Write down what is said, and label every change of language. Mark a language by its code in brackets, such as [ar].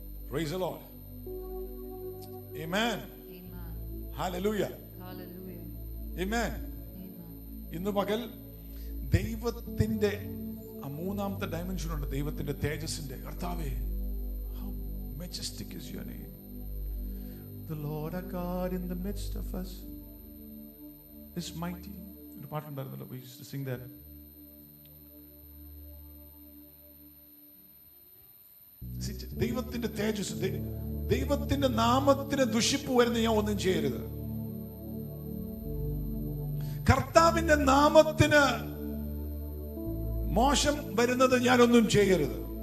[en] Praise the Lord. Amen. Amen. Hallelujah. Hallelujah. Amen. [ml] ഇന്ന് പകൽ ദൈവത്തിന്റെ ആ മൂന്നാമത്തെ ഡയമെൻഷൻ ഉണ്ട്, ദൈവത്തിന്റെ തേജസ്സിന്റെ. കർത്താവേ, [en] how majestic is your name. The Lord our God in the midst of us is mighty. [ml] ഒരു പാട്ടുണ്ടായിരുന്നല്ലോ, [en] we used to sing that. [ml] ദൈവത്തിന്റെ തേജസ്, ദൈവത്തിന്റെ നാമത്തിന് ദുഷിപ്പ് വരുന്ന ഞാൻ ഒന്നും ചെയ്യരുത്. കർത്താവിന്റെ നാമത്തിന് മോശം വരുന്നത് ഞാനൊന്നും ചെയ്യരുത്.